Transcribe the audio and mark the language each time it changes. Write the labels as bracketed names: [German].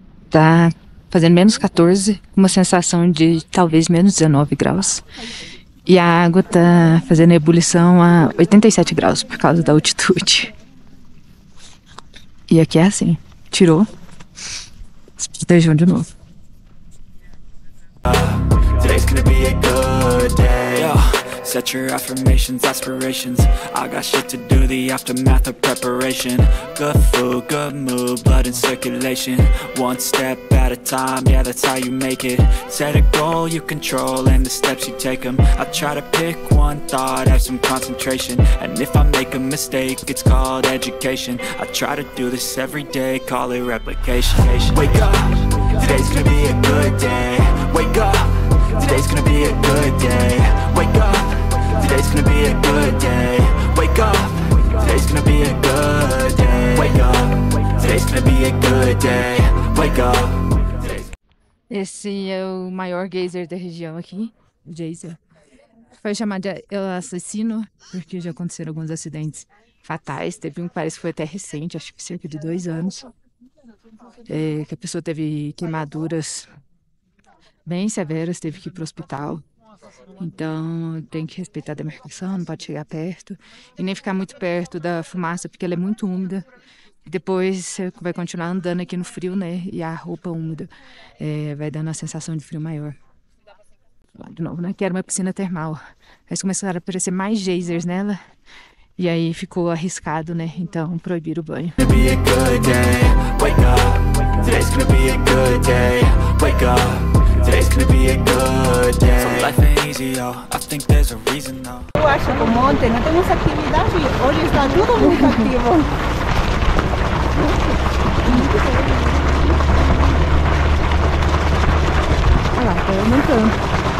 [Portuguese] Tá fazendo menos 14, uma sensação de talvez menos 19 graus. E a água tá fazendo ebulição a 87 graus por causa da altitude. E aqui é assim, tirou, se protegeu de novo. [English] Today's gonna be a good day. Yo, set your affirmations, aspirations. I got shit to do, the aftermath of preparation. Good food, good mood, blood in circulation. One step at a time, yeah, that's how you make it. Set a goal you control and the steps you take them. I try to pick one thought, have some concentration. And if I make a mistake, it's called education. I try to do this every day, call it replication. Wake up, today's gonna be a good day. Wake up. Today's gonna be a good day. Wake up. Today's gonna be a good day. Wake up. Today's gonna be a good day. Wake up. Today's gonna be a good day. Wake up. [Portuguese] Esse é o maior geyser da região aqui, o geyser. Foi chamado de assassino porque já aconteceram alguns acidentes fatais. Teve um que parece que foi até recente, acho que cerca de 2 anos, que a pessoa teve queimaduras bem severas, teve que ir para o hospital. Então, tem que respeitar a demarcação, não pode chegar perto. E nem ficar muito perto da fumaça, porque ela é muito úmida. Depois, você vai continuar andando aqui no frio, né? E a roupa úmida, vai dando uma sensação de frio maior. De novo, né? Que era uma piscina termal. Aí começaram a aparecer mais geysers nela. E aí ficou arriscado, né? Então, proibiram o banho. [English] Today's gonna be a good day. So life ain't easy, yo. I think there's a reason, though. [Portuguese] Eu acho que ontem não temos atividade. Hoje está tudo muito ativo. Olha lá, está aumentando.